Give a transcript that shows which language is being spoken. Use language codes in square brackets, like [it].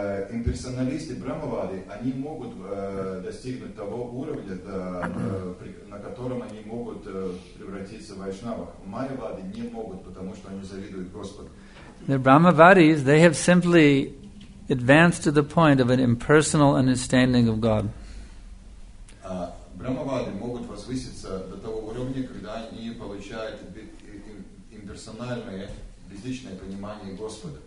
[ru] Имперсоналисты Брамавади, они могут достигнуть того уровня, на котором они могут превратиться в вайшнавах. Майявади не могут, потому что они завидуют Господу. [en] The Brahmavadis, they have simply advanced to the point of an impersonal understanding of God. [ru] Брамавади могут возвыситься до того уровня, когда они получают имперсональное, безличное понимание Господа.